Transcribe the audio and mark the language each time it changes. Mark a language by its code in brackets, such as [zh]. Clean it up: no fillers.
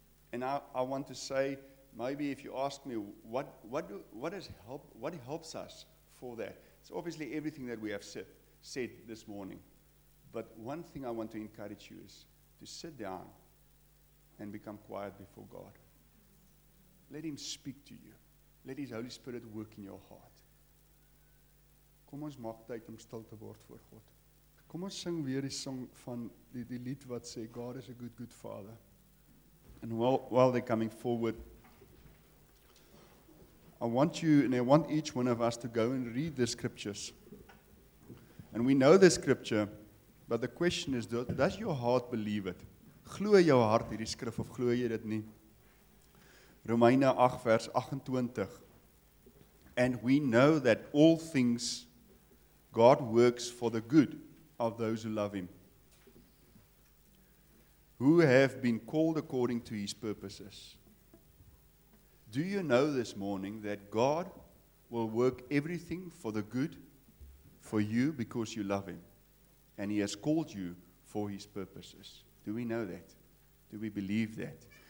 [en] And I want to say, maybe if you ask me, what helps us for that? It's obviously everything that we have said this morning. But one thing I want to encourage you is to sit down and become quiet before God. Let him speak to you. Let his Holy Spirit work in your heart. [af] Kom ons maak tyd om stil te word voor God. Kom ons sing weer die song van die lied wat sê, [en] God is a good, good father. And while they're coming forward, I want you, and I want each one of us to go and read the scriptures. And we know the scripture, but the question is, does your heart believe it? [af] Glo jou hart hierdie skrif, of glo jy dit nie? Romeine 8 vers 28. [en] And we know that all things God works for the good of those who love him, who have been called according to his purposes. Do you know this morning that God will work everything for the good for you because you love him and he has called you for his purposes? Do we know that? Do we believe that?